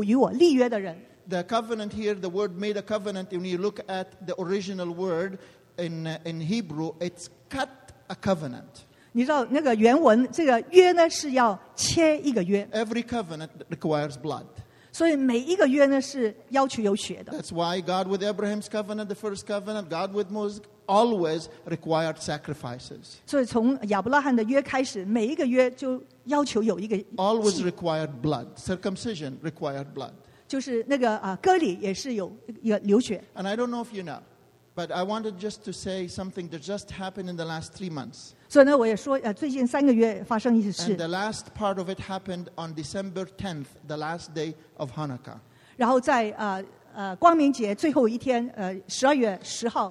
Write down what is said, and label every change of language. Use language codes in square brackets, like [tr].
[en] The covenant here, the word made a covenant, when you look at the original word in Hebrew, it's cut a covenant. Every covenant requires blood. That's why God with Abraham's covenant, the first covenant, God with Moses, always required sacrifices. [zh] 所以从亚伯拉罕的约开始, [en] always required blood. Circumcision required blood. [zh] 就是那个, 割礼也是有流血. [en] And I don't know if you know, but I wanted just to say something that just happened in the last 3 months. [zh] 所以呢,我也说, 最近三个月发生一次事, [en] and the last part of it happened on December 10th, the last day of Hanukkah. [zh] 然后在, 光明节最后一天, 12月10号,